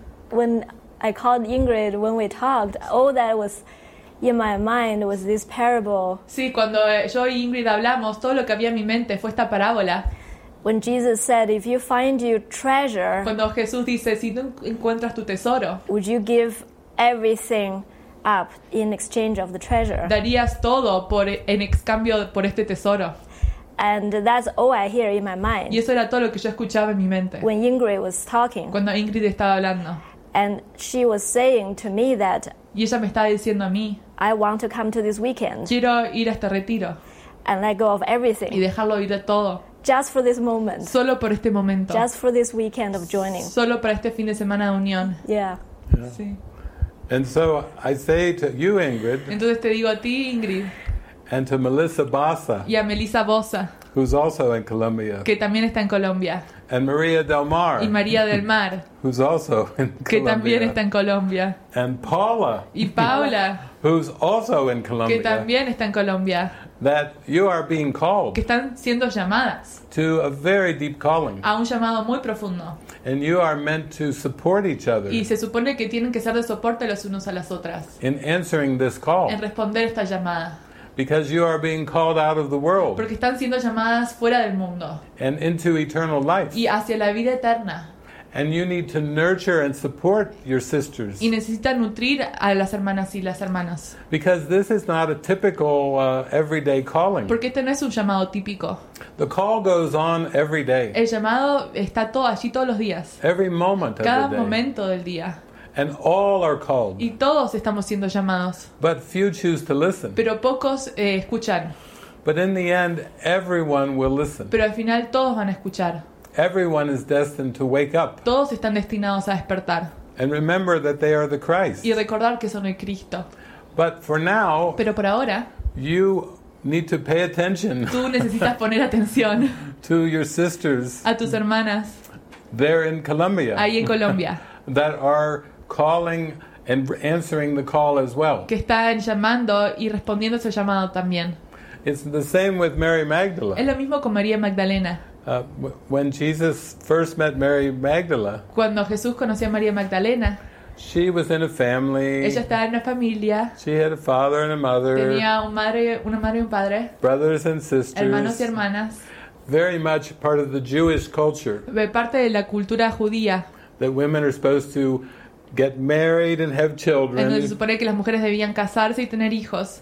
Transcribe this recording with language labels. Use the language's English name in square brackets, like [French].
[English] When I called Ingrid when we talked, all that was in my mind was this parable. [Spanish] Sí, cuando yo y Ingrid hablamos, todo lo que había en mi mente fue esta parábola. [English] When Jesus said, "If you find your treasure," [Spanish] cuando Jesús dice, si tú encuentras tu tesoro, [English] "would you give everything up in exchange of the treasure?" [Spanish] Darías todo por en cambio por este tesoro. [English] And that's all I hear in my mind. [Spanish] Y eso era todo lo que yo escuchaba en mi mente. [English] When Ingrid was talking. [Spanish] Cuando Ingrid estaba hablando. [English] And she was saying to me that. [Spanish] Y ella me está diciendo a mí. [English] I want to come to this weekend. [Spanish] Quiero ir a este retiro. [English] And let go of everything. [Spanish] Y dejarlo ir de todo. [English] Just for this moment. [Spanish] Solo por este momento. [English] Just for this weekend of joining. [Spanish] Solo para este fin de semana de unión. [English] Yeah. And so I say to you, Ingrid. [Spanish] Entonces te digo a ti, Ingrid. [English] And to Melissa Bossa. [Spanish] Y a Melissa Bossa. [English] Who's also in Colombia. [Spanish] Que también está en Colombia. [English] And Maria Del Mar. [Spanish] Y María del Mar. [English] Who's also in Colombia. [Spanish] Que también está en Colombia. [English] And Paula. [Spanish] Y Paula. [English] Who's also in Colombia. [Spanish] Que también está en Colombia. [English] That you are being called. [Spanish] Que están siendo llamadas. [English] To a very deep calling. [Spanish] A un llamado muy profundo. [English] And you are meant to support each other. [Spanish] Y se supone que tienen que ser de soporte los unos a las otras. [English] In answering this call. [Spanish] En responder esta llamada. [English] Because you are being called out of the world. [Spanish] Porque están siendo llamadas fuera del mundo. [English] And into eternal life. [Spanish] Y hacia la vida eterna. [English] And you need to nurture and support your sisters. [Spanish] Y necesitan nutrir a las hermanas y las hermanas. [English] Because this is not a typical everyday calling. [Spanish] Porque este no es un llamado típico. [English] The call goes on every day. [Spanish] El llamado está todo allí todos los días. [English] Every moment of the day. [Spanish] Cada momento del día. [English] And all are called. [Spanish] Y todos estamos siendo llamados. [English] But few choose to listen. [Spanish] Pero pocos escuchan. [English] But in the end, everyone will listen. [Spanish] Pero al final todos van a escuchar. [English] Everyone is destined to wake up. [Spanish] Todos están destinados a despertar. [English] And remember that they are the Christ. [Spanish] Y recordar que son el Cristo. [English] But for now, [Spanish] pero por ahora, [English] you need to pay attention. [Spanish] Tú necesitas poner atención. [English] To your sisters. [Spanish] A tus hermanas. [English] They're in Colombia. [Spanish] Ahí en Colombia. [English] That are calling and answering the call as well. [Spanish] Que están llamando y respondiendo ese llamado también. [English] It's the same with Mary Magdalene. [Spanish] Es lo mismo con María Magdalena. [English] When Jesus first met Mary Magdalene. [Spanish] Cuando Jesús conoció a María Magdalena. [English] She was in a family. [Spanish] Ella estaba en una familia. [English] She had a father and a mother. [Spanish] Tenía una madre y un padre. [English] Brothers and sisters. [Spanish] Hermanos y hermanas. [English] Very much part of the Jewish culture. [Spanish] De parte de la cultura judía. [English] That women are supposed to get married and have children. [Spanish] Entonces se supone que las mujeres debían casarse y tener hijos.